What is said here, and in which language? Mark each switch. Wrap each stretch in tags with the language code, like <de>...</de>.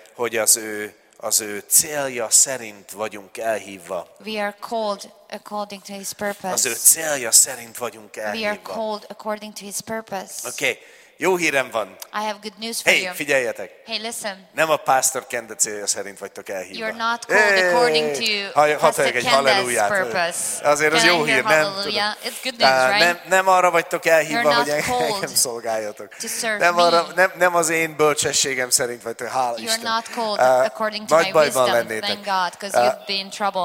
<hu>hogy az ő célja szerint vagyunk elhívva.</hu> <en>We are called according to his purpose.</en> <hu>Az ő célja szerint vagyunk elhívva.</hu> <en>We are called according to his purpose.</en> <hu>Okay. Jó hírem van.</hu> <en>I have good news for you.</en> <hu>Figyeljetek.</hu> <en>Hey, listen.</en> <hu>Nem a Pastor Kende célja szerint vagytok elhívva.</hu> <en>You're not called according to Pastor Kende's hallelujah purpose.</en> <hu>Azért az jó hír, nem?</hu> <en>It's good news, right?</en> <hu>Nem arra vagytok elhívva, hogy engem szolgáljatok. Nem az én bölcsességem szerint vagytok, hála Isten.</hu> <en>You're not called according to my wisdom, thank God, because you've been in trouble.</en>